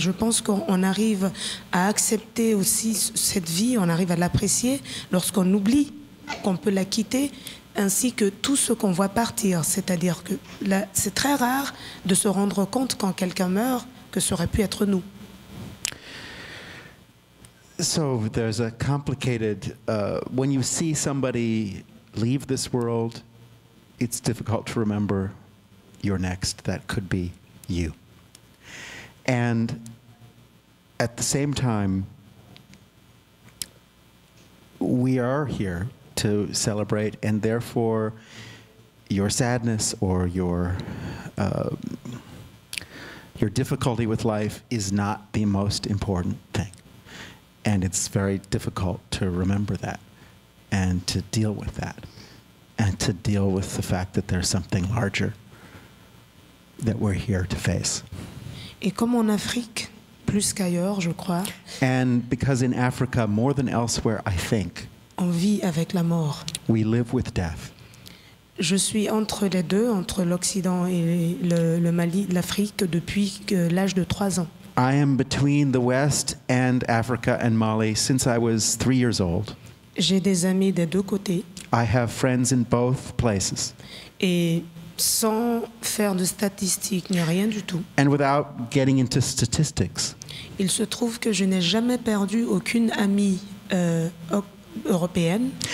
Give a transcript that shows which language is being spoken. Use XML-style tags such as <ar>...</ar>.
<fr>Je pense qu'on arrive à accepter aussi cette vie, on arrive à l'apprécier lorsqu'on oublie qu'on peut la quitter, ainsi que tout ce qu'on voit partir. C'est-à-dire que là, c'est très rare de se rendre compte quand quelqu'un meurt que ça aurait pu être nous.</fr> <en>So there's a complicated, when you see somebody leave this world, it's difficult to remember your next, that could be you. And at the same time, we are here to celebrate, and therefore your sadness or your difficulty with life is not the most important thing. And it's very difficult to remember that and to deal with that and to deal with the fact that there's something larger that we're here to face.</en> <fr>Et comme en Afrique, plus qu'ailleurs, je crois.</fr> <en>And because in Africa, more than elsewhere, I think,</en> <fr>on vit avec la mort.</fr> <en>We live with death.</en> <fr>Je suis entre les deux, entre l'Occident et le Mali, l'Afrique, depuis l'âge de 3 ans.</fr> <en>I am between the West and Africa and Mali since I was 3 years old.</en> <fr>J'ai des amis des deux côtés.</fr> <en>I have friends in both places.</en> <fr>Et sans faire de statistiques, ni rien du tout.</fr> <en>And without getting into statistics.</en> <fr>Il se trouve que je n'ai jamais perdu aucune amie européenne.</fr>